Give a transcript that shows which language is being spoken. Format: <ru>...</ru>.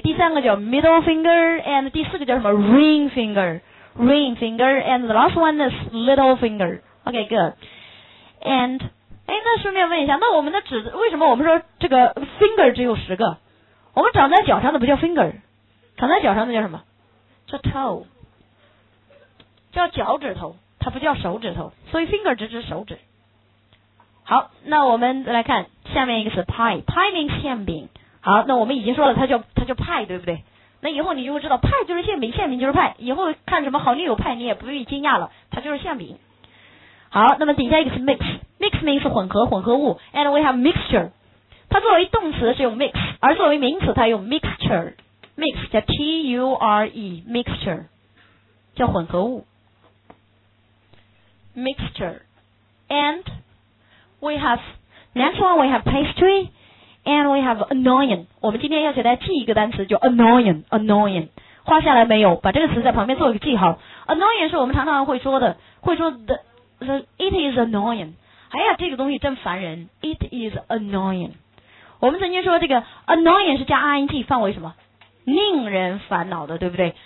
<zh>第三个叫 middle finger and 第四个叫什么？</zh> <en>ring finger, and the last one is little finger. Okay, good.</en> <zh>And, 哎，那顺便问一下，那我们的指，为什么我们说这个 finger 只有十个？我们长在脚上的不叫 finger, 长在脚上的叫什么？叫 toe, 叫脚趾头，它不叫手指头，所以 finger 只指手指。好，那我们来看下面一个词</zh> <en>pie means</en> <zh>馅饼。好，那我们已经说了它叫 pie, 对不对？那以后你就会知道派就是馅饼，馅饼就是派，以后看什么好女友派你也不必惊讶了，它就是馅饼。好，那么底下一个是 mix means 混合混合物，</zh> <en>and we have mixture,</en> <zh>它作为动词是用 mix, 而作为名词它用 mixture, mix 叫 T-U-R-E, mixture 叫混合物。</zh> <en>mixture. And we have next one, we have pastry, and we have annoying.</en> <zh>我们今天要学的记一个单词就 annoying, annoying. 画下来没有，把这个词在旁边做一个记号。 Annoying 是我们常常会说的，会说</zh> <en>it is annoying。</en> <zh>哎呀，这个东西真烦人。</zh> <en>It is annoying。</en> <zh>我们曾经说这个 annoying 是加 ing 范围什么？令人烦恼的，对不对？</zh>